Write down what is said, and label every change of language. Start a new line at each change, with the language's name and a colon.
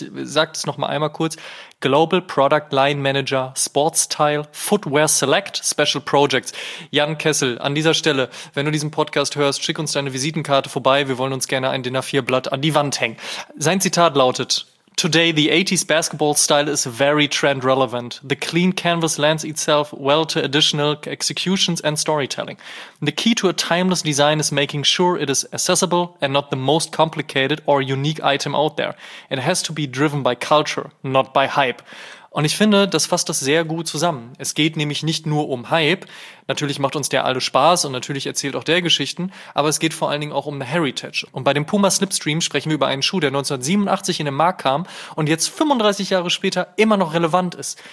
German: Ich sage das einmal kurz. Global Product Line Manager Sportstyle Footwear Select Special Projects. Jan Kessel, an dieser Stelle, wenn du diesen Podcast hörst, schick uns deine Visitenkarte vorbei. Wir wollen uns gerne ein DIN-A4-Blatt an die Wand hängen. Sein Zitat lautet:
English: Today the 80s basketball style is very trend relevant. The clean canvas lends itself well to additional executions and storytelling. The key to a timeless design is making sure it is accessible and not the most complicated or unique item out there. It has to be driven by culture, not by hype.
German: Und ich finde, das fasst das sehr gut zusammen. Es geht nämlich nicht nur um Hype. Natürlich macht uns der alle Spaß und natürlich erzählt auch der Geschichten, aber es geht vor allen Dingen auch um eine Heritage. Und bei dem Puma Slipstream sprechen wir über einen Schuh, der 1987 in den Markt kam und jetzt 35 Jahre später immer noch relevant ist.